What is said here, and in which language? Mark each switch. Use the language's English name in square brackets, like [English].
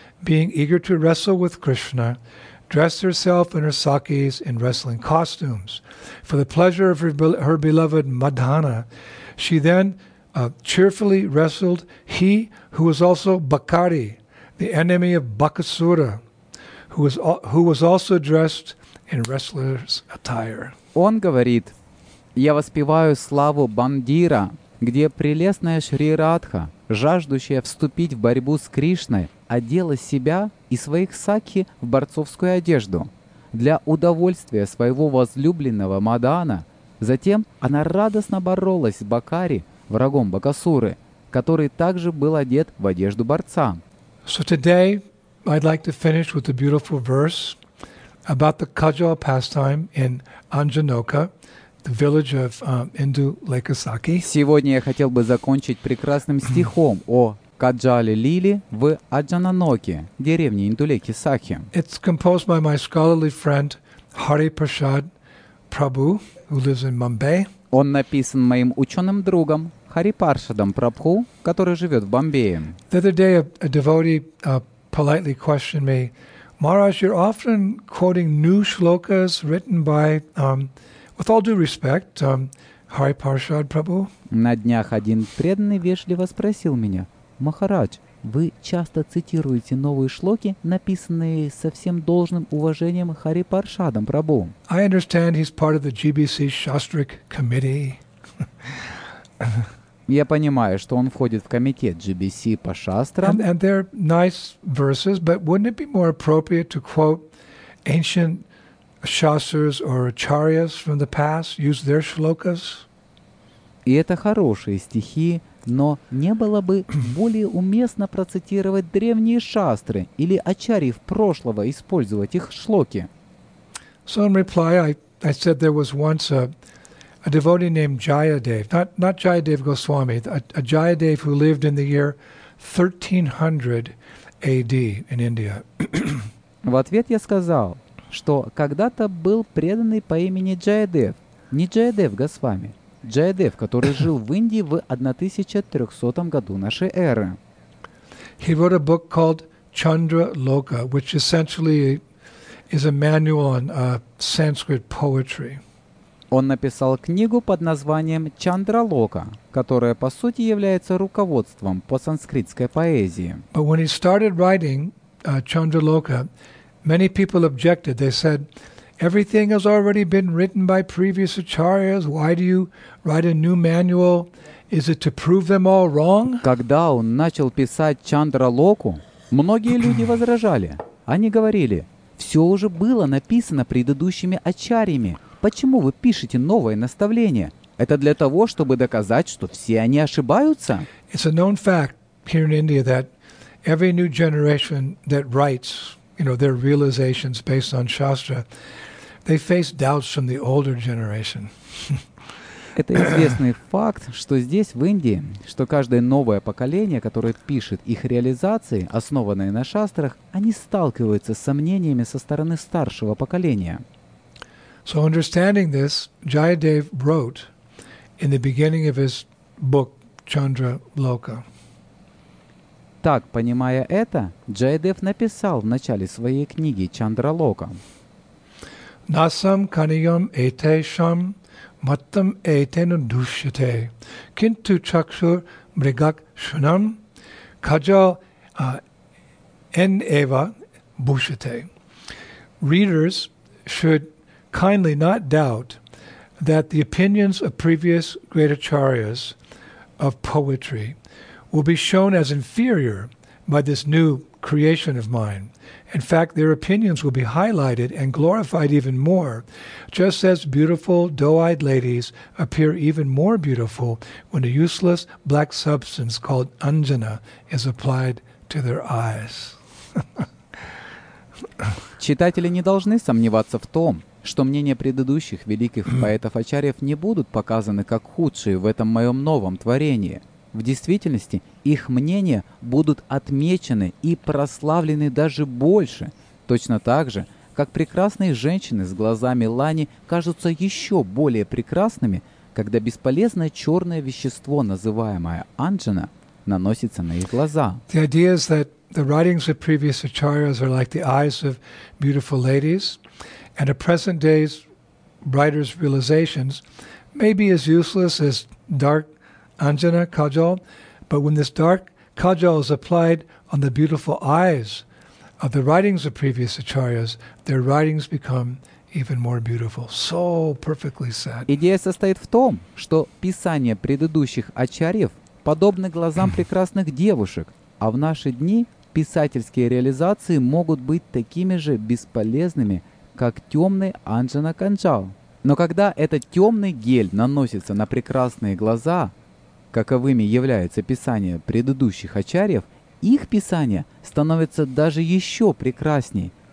[English] being eager to wrestle with Krishna, dressed herself and her sakis in wrestling costumes. For the pleasure of her beloved Madhana, she then cheerfully wrestled he who was also Bakari, the enemy of Bakasura, who was also dressed in wrestler's attire. [Russian] Он говорит, я воспеваю славу Бандира, где прелестная Шри Радха, жаждущая вступить в борьбу с Кришной, одела себя и своих сакхи в борцовскую одежду для удовольствия своего возлюбленного Мадана. Затем она радостно боролась с Бакари, врагом Бакасуры, который также был одет в одежду борца. [English] So today I'd like to finish with a beautiful verse about the cudgel pastime in Anjanoka, the village of Indu Lake Asaki. [Russian] Сегодня я хотел бы закончить прекрасным стихом о каджале лили в Аджананоке, деревне Инду Леки Сахи. [English] It's composed by my scholarly friend Hari Prasad Prabhu, who lives in Mumbai. [Russian] Он написан моим ученым другом Хари Паршадом Прабху, который живет в Бомбее. [English] The other day a devotee politely questioned me, Maharaj, you're often quoting new shlokas written by, with all due respect, Hari Parshad Prabhu. [Russian] На днях один преданный вежливо спросил меня, Махарадж, вы часто цитируете новые шлоки, написанные со всем должным уважением Хари Паршадом Прабху. [English] I understand he's part of the GBC Shastric Committee. [Russian] Я понимаю, что он входит в комитет GBC по шастрам. [English] And they're nice verses, but wouldn't it be more appropriate to quote ancient shastras or acharyas from the past, use their shlokas? [Russian] И это хорошие стихи, но не было бы более уместно процитировать древние шастры или ачарьев прошлого, использовать их шлоки? [English] So in reply, I said there was once a devotee named Jayadev, not Jayadev Goswami, a Jayadev who lived in the year 1300 AD in India. [Russian] В ответ я сказал, что когда-то был преданный по имени Джаядев, не Джаядев Госвами, Джаядев, который жил в Индии в 1300 году нашей эры. [English] He wrote a book called Chandra Loka, which essentially is a manual on Sanskrit poetry. [Russian] Он написал книгу под названием Чандра Лока, которая по сути является руководством по санскритской поэзии. [English] But when he started writing Chandra Loka, many people objected. They said, everything has already been written by previous acharyas. Why do you write a new manual? Is it to prove them all wrong? [Russian] Когда он начал писать Чандра Локу, многие люди возражали. Они говорили, все уже было написано предыдущими ачарьями. Почему вы пишете новое наставление? Это для того, чтобы доказать, что все они ошибаются? [English] It's a known fact here in India that every new generation that writes, you know, their realizations based on Shastra, they face doubts from the older generation. [Russian] Это известный факт, что здесь, в Индии, что каждое новое поколение, которое пишет их реализации, основанные на шастрах, они сталкиваются с сомнениями со стороны старшего поколения. [English] So understanding this, Jayadev wrote in the beginning of his book Chandra Loka. [Russian] Так, понимая это, Джайдев написал в начале своей книги Чандра Лока. [Sanskrit] Насам каниям этешам маттам этену душите, кинту чакшур мригак шунам, каджал эн эва бушите. [English] Readers should kindly not doubt that the opinions of previous great acharyas of poetry will be shown as inferior by this new creation of mine. In fact, their opinions will be highlighted and glorified even more, just as beautiful doe-eyed ladies appear even more beautiful when a useless black substance called anjana is applied to their eyes. [Russian] Читатели не должны сомневаться в том, что мнения предыдущих великих поэтов-ачарьев не будут показаны как худшие в этом моем новом творении. В действительности, их мнения будут отмечены и прославлены даже больше, точно так же, как прекрасные женщины с глазами лани кажутся еще более прекрасными, когда бесполезное черное вещество, называемое анджана, наносится на их глаза. [English] The idea is that The writings of previous acharyas are like the eyes of beautiful ladies, and a present day's writer's realizations may be as useless as dark anjana kajal, but when this dark kajal is applied on the beautiful eyes of the writings of previous acharyas, their writings become even more beautiful. So perfectly said. [Russian] Идея состоит в том, что писания предыдущих ачарьев подобны глазам прекрасных девушек, а в наши дни писательские реализации могут быть такими же бесполезными, как темный анджана канджал. Но когда этот темный гель наносится на прекрасные глаза, каковыми являются писания предыдущих ачарьев, их писания становятся даже еще прекрасней.